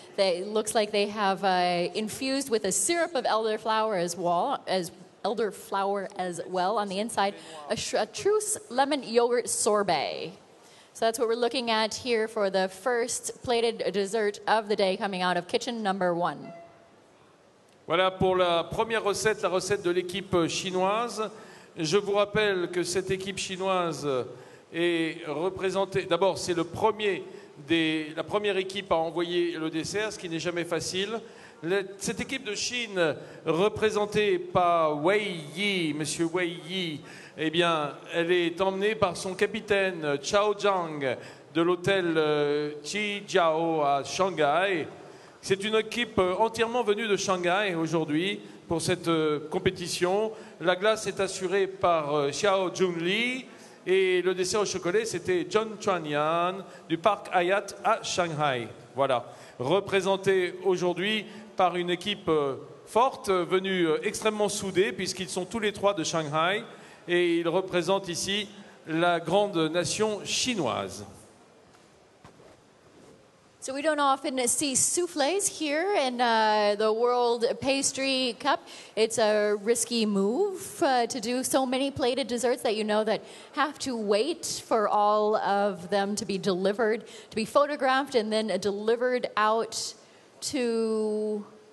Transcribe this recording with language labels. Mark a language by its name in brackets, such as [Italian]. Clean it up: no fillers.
[English] It looks like they have infused with a syrup of elderflower as well on the inside, a truce lemon yogurt sorbet. So that's what we're looking at here for the first plated dessert of the day coming out of kitchen number one. [French] Voilà pour la première recette, la recette de l'équipe chinoise. Je vous rappelle que cette équipe chinoise est représentée... D'abord, c'est le premier des, la première équipe à envoyer le dessert, ce qui n'est jamais facile. Cette équipe de Chine, représentée par Wei Yi, Monsieur Wei Yi, eh bien, elle est emmenée par son capitaine Chao Zhang de l'hôtel Qijiao à Shanghai. C'est une équipe entièrement venue de Shanghai aujourd'hui pour cette compétition. La glace est assurée par Xiao Junli et le dessert au chocolat, c'était John Chuanyan du parc Hyatt à Shanghai. Voilà, représenté aujourd'hui par une équipe forte, venue extrêmement soudée puisqu'ils sont tous les trois de Shanghai et ils représentent ici la grande nation chinoise. [English] So we don't often see soufflés here in the World Pastry Cup. It's a risky move to do so many plated desserts that you know that have to wait for all of them to be delivered, to be photographed and then delivered out to...